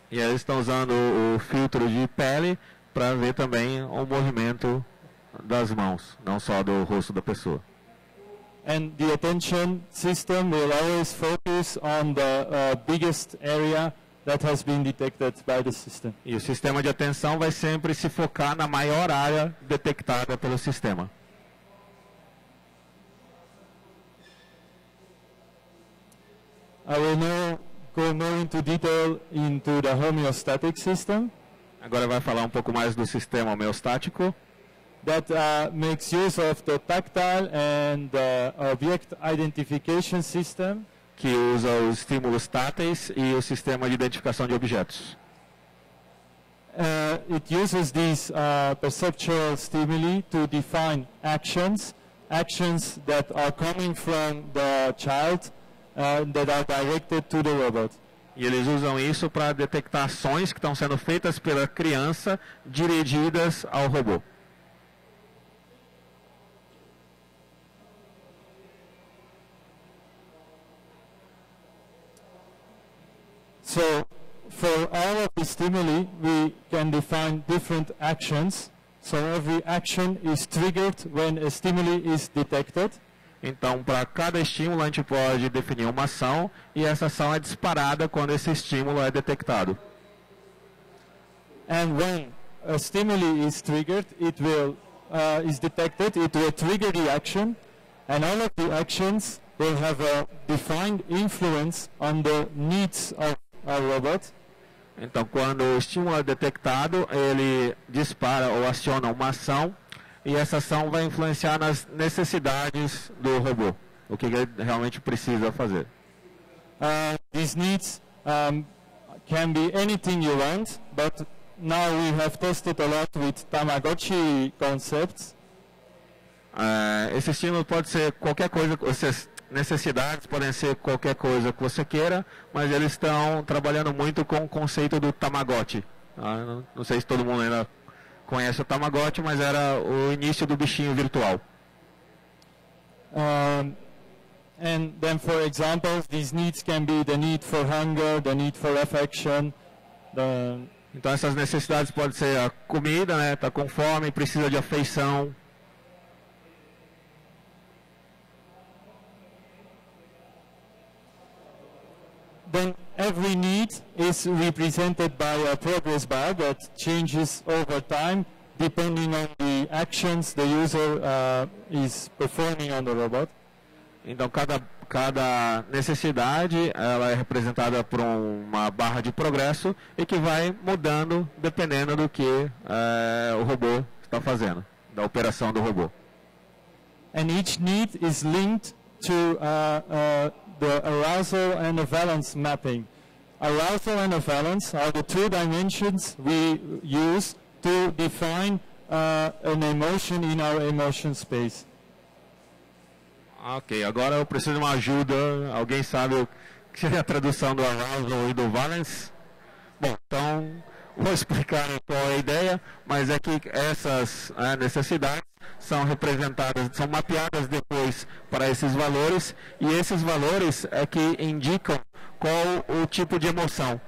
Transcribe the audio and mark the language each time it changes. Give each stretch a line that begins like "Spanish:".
Portuguese: E eles estão usando o filtro de pele para ver também o movimento das mãos, não só do rosto da pessoa.
English: And the attention system will always focus on the biggest area that has been detected by the system.
Portuguese: E o sistema de atenção vai sempre se focar na maior área detectada pelo sistema.
English: I will now go more into detail into the homeostatic system.
Portuguese: Agora vai falar um pouco mais do sistema homeostático.
English: That makes use of the tactile and the object identification system.
Portuguese: Que usa os estímulos táteis e o sistema de identificação de objetos.
English: It uses these perceptual stimuli to define actions. Actions that are coming from the child that are directed to the robot.
Portuguese: E eles usam isso para detectar ações que estão sendo feitas pela criança dirigidas ao robô.
English: So, for all of the stimuli, we can define different actions. So, every action is triggered when a stimuli is detected.
Portuguese: Então, para cada estímulo, a gente pode definir uma ação, e essa ação é disparada quando esse estímulo é detectado.
English: And when a stimuli is triggered, it will is detected, it will trigger the action, and all of the actions will have a defined influence on the needs of a robot.
Portuguese: Então, quando o estímulo é detectado, ele dispara ou aciona uma ação. E essa ação vai influenciar nas necessidades do robô, o que ele realmente precisa fazer.
English: These needs can be anything you want, but now we have tested a lot with Tamagotchi concepts.
Portuguese: Esse estímulo pode ser qualquer coisa, essas necessidades podem ser qualquer coisa que você queira, mas eles estão trabalhando muito com o conceito do Tamagotchi. Não sei se todo mundo ainda conhece o Tamagotchi, mas era o início do bichinho virtual.
English: And then, for example, these needs can be the need for hunger, the need for affection, the
Portuguese: Então essas necessidades podem ser a comida, né? Tá com fome, precisa de afeição.
English: Then every need is represented by a progress bar that changes over time depending on the actions the user is performing on the robot.
Portuguese: Então cada necessidade ela é representada por uma barra de progresso e que vai mudando dependendo do que o robô está fazendo, da operação do robô.
English: And each need is linked to the arousal and the valence mapping. Arousal and the valence are the two dimensions we use to define an emotion in our emotion space.
Portuguese: Ok, agora eu preciso de uma ajuda. Alguém sabe o que seria a tradução do arousal e do valence? Bom, então vou explicar qual é a ideia, mas é que essas necessidades são representadas, são mapeadas depois para esses valores, e esses valores é que indicam qual o tipo de emoção.